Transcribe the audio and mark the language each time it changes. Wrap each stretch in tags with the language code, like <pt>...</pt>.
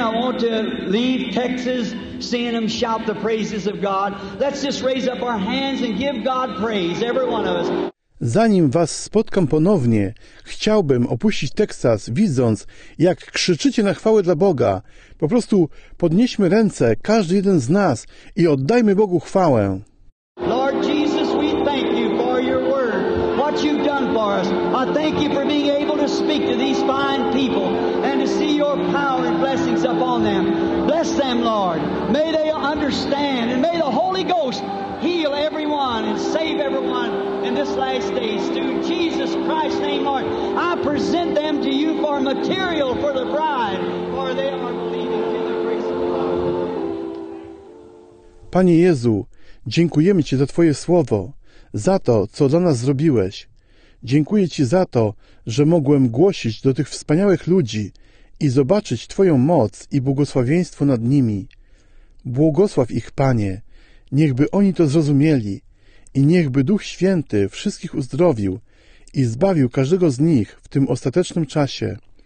<en>I want to leave Texas, seeing them shout the praises of God. Let's just raise up our hands and give God praise, every one of us.</en> <pl>Zanim was spotkam ponownie, chciałbym opuścić Texas, widząc, jak krzyczycie na chwałę dla Boga. Po prostu podnieśmy ręce, każdy jeden z nas, i oddajmy Bogu chwałę.</pl> <en>Lord Jesus, we thank you for your word, what you've done for us. I thank you for being able to speak to these fine people. Power and blessings upon them. Bless them, Lord. May they understand, and may the Holy Ghost heal everyone and save everyone in this last days. Through Jesus Christ's name, Lord, I present them to you for material for the bride, for they are leading to the grace of God.</en> <pl>Panie Jezu, dziękujemy Ci za Twoje słowo, za to, co dla nas zrobiłeś. Dziękuję Ci za to, że mogłem głosić do tych wspaniałych ludzi i zobaczyć Twoją moc i błogosławieństwo nad nimi. Błogosław ich, Panie, niechby oni to zrozumieli i niechby Duch Święty wszystkich uzdrowił i zbawił każdego z nich w tym ostatecznym czasie.</pl>